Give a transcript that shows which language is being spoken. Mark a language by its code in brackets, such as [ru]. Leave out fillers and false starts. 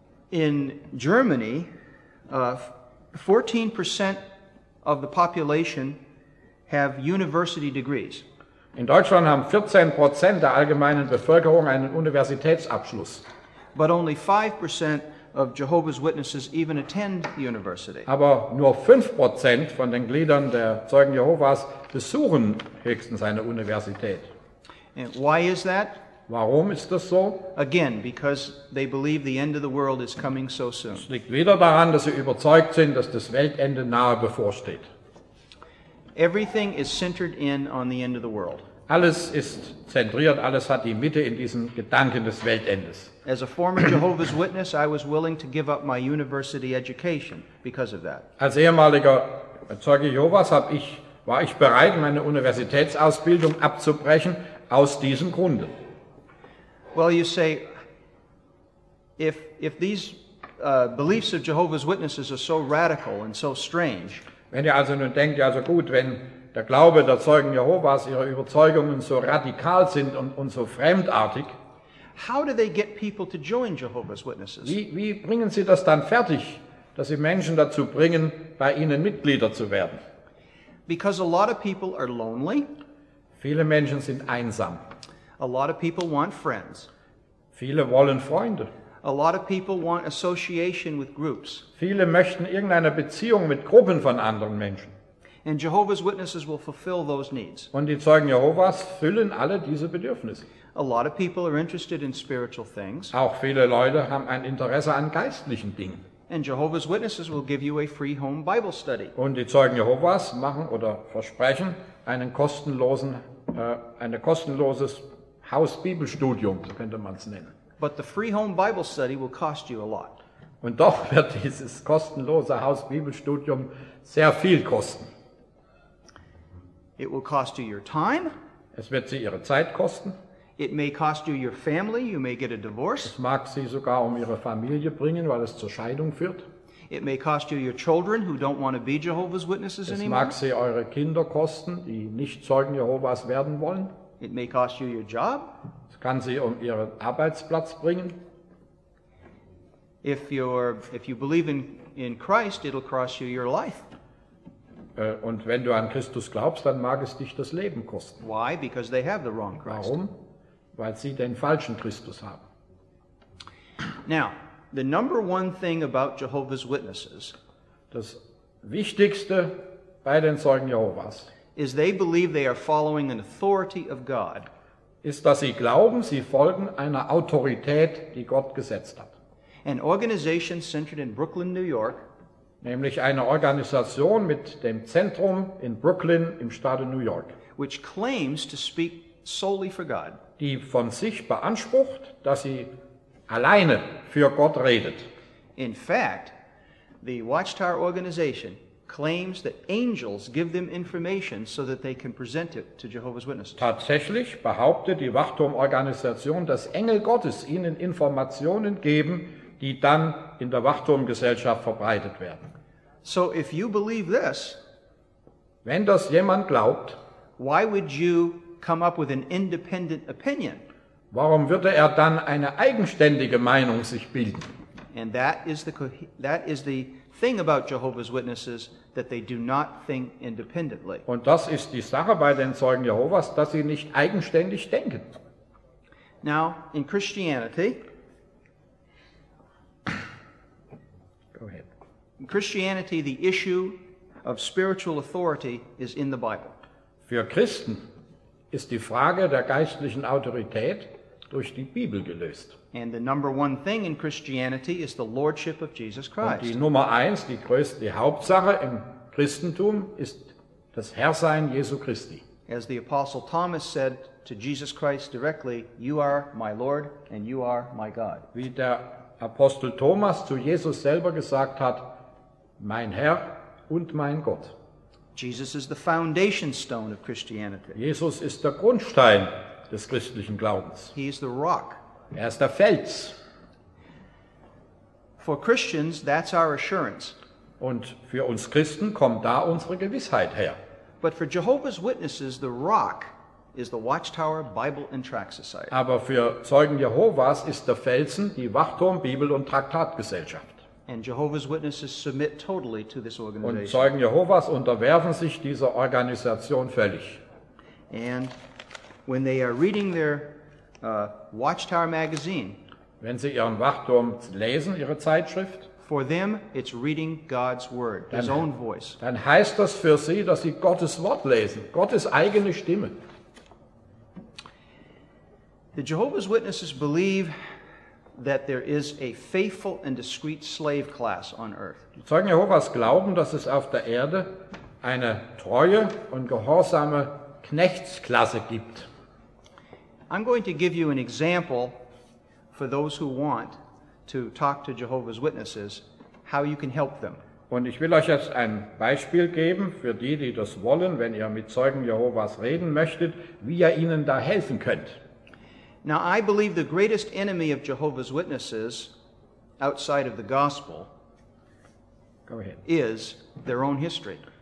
[en] In Germany, 14% of the population have university degrees. [de] In Deutschland haben 14% der allgemeinen Bevölkerung einen Universitätsabschluss. [en] But only 5% of Jehovah's Witnesses even attend the university. [de] Aber nur 5% von den Gliedern der Zeugen Jehovas besuchen höchstens eine Universität. [en] And why is that? [de] Warum ist das so? [en] Again, because they believe the end of the world is coming so soon. [de] Es liegt wieder daran, dass sie überzeugt sind, dass das Weltende nahe bevorsteht. [en] Everything is centered in on the end of the world. [de] Alles ist zentriert, alles hat die Mitte in diesem Gedanken des Weltendes. [en] As a former Jehovah's Witness, I was willing to give up my university education because of that. [de] Als ehemaliger Zeuge Jehovas war ich bereit, meine Universitätsausbildung abzubrechen aus diesem Grunde. [en] Well, you say, if these beliefs of Jehovah's Witnesses are so radical and so strange. [de] Wenn ihr also nun denkt, also gut, wenn der Glaube der Zeugen Jehovas, ihre Überzeugungen so radikal sind und so fremdartig. [en] How do they get people to join Jehovah's Witnesses? [de] Wie bringen sie das dann fertig, dass sie Menschen dazu bringen, bei ihnen Mitglieder zu werden? [en] Because a lot of people are lonely. [de] Viele Menschen sind einsam. [en] A lot of people want friends. [de] Viele wollen Freunde. [en] A lot of people want association with groups. [de] Viele möchten irgendeine Beziehung mit Gruppen von anderen Menschen. [en] And Jehovah's Witnesses will fulfill those needs. [de] Und die Zeugen Jehovas füllen alle diese Bedürfnisse. [en] A lot of people are interested in spiritual things. [de] Auch viele Leute haben ein Interesse an geistlichen Dingen. [en] And Jehovah's Witnesses will give you a free home Bible study. [de] Und die Zeugen Jehovas machen oder versprechen ein kostenloses Hausbibelstudium, so könnte man es nennen. [en] But the free home Bible study will cost you a lot. [de] Und doch wird dieses kostenlose Hausbibelstudium sehr viel kosten. [en] It will cost you your time. [de] Es wird sie ihre Zeit kosten. [en] It may cost you your family. You may get a divorce. [de] Es mag sie sogar ihre Familie bringen, weil es zur Scheidung führt. [en] It may cost you your children who don't want to be Jehovah's Witnesses anymore. [de] Es mag sie eure Kinder kosten, die nicht Zeugen Jehovas werden wollen. [en] It may cost you your job. [de] Es kann sie ihren Arbeitsplatz bringen. [en] If you believe in Christ, it'll cost you your life. [de] Und wenn du an Christus glaubst, dann mag es dich das Leben kosten. [en] Why? Because they have the wrong Christ. [de] Warum? Weil sie den falschen Christus haben. [en] Now, the number one thing about Jehovah's Witnesses. [de] Das Wichtigste bei den Zeugen Jehovas. [en] Is they believe they are following an authority of God. [de] Ist, dass sie glauben, sie folgen einer Autorität, die Gott gesetzt hat. [en] An organization centered in Brooklyn, New York. [de] Nämlich eine Organisation mit dem Zentrum in Brooklyn im Staat New York. [en] Which claims to speak solely for God. [de] Die von sich beansprucht, dass sie alleine für Gott redet. [en] In fact, the Watchtower organization claims that angels give them information so that they can present it to Jehovah's Witnesses. [de] Tatsächlich behauptet die Wachturmorganisation, dass Engel Gottes ihnen Informationen geben, die dann in der Wachturmgesellschaft verbreitet werden. [en] So if you believe this, [de] wenn das jemand glaubt, [en] why would you come up with an independent opinion? [de] Warum würde er dann eine eigenständige Meinung sich bilden? [en] And that is the thing about Jehovah's Witnesses that they do not think independently. [de] Und das ist die Sache bei den Zeugen Jehovas, dass sie nicht eigenständig denken. [en] Now, in Christianity, go ahead. In Christianity, the issue of spiritual authority is in the Bible. [de] Für Christen ist die Frage der geistlichen Autorität durch die Bibel gelöst. [en] And the number one thing in Christianity is the lordship of Jesus Christ. [de] Und die Nummer eins, die größte, die Hauptsache im Christentum ist das Herrsein Jesu Christi. [en] As the Apostle Thomas said to Jesus Christ directly, "You are my Lord and you are my God." [de] Wie der Apostel Thomas zu Jesus selber gesagt hat, mein Herr und mein Gott. [en] Jesus is the foundation stone of Christianity. [de] Jesus ist der Grundstein des christlichen Glaubens. [en] He is the rock. [de] Er ist der Fels. [en] For Christians, that's our assurance. [de] Und für uns Christen kommt da unsere Gewissheit her. [en] But for Jehovah's Witnesses, the rock is the Watchtower Bible and Tract Society. [de] Aber für Zeugen Jehovas ist der Felsen die Wachturm Bibel und Traktatgesellschaft. [en] And Jehovah's Witnesses submit totally to this organization. [de] Und Zeugen Jehovas unterwerfen sich dieser Organisation völlig. [en] And when they are reading their Watchtower magazine, [de] wenn sie ihren Wachturm lesen, ihre Zeitschrift, [en] for them it's reading God's word, his own voice. [de] Dann heißt das für sie, dass sie Gottes Wort lesen, Gottes eigene Stimme. [en] The Jehovah's Witnesses believe that there is a faithful and discreet slave class on earth. [de] Die Zeugen Jehovas glauben, dass es auf der Erde eine treue und gehorsame Knechtsklasse gibt. [en] I'm going to give you an example for those who want to talk to Jehovah's Witnesses, how you can help them. [de] Und ich will euch jetzt ein Beispiel geben für die, die das wollen, wenn ihr mit Zeugen Jehovas reden möchtet, wie ihr ihnen da helfen könnt. [en] Now I believe the greatest enemy of Jehovah's Witnesses outside of the gospel is their own history.